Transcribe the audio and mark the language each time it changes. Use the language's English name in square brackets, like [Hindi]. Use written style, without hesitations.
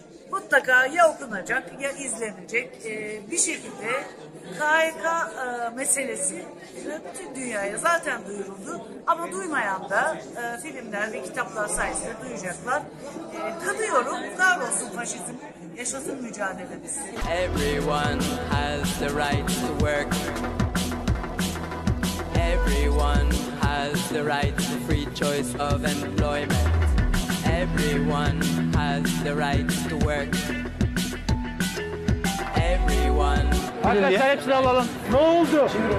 [Turkish] Mutlaka ya okunacak ya izlenecek bir şekilde KHK meselesi bütün dünyaya zaten duyuruldu. Ama duymayan da filmler ve kitaplar sayesinde duyacaklar. Kanıyorum, var olsun faşizm, yaşasın mücadelemiz. [English] Everyone has the right to work. Everyone has the right to free choice of employment. Everyone has the right to work. [Turkish] Everyone. Arkadaşlar hepsini alalım. Ne oldu?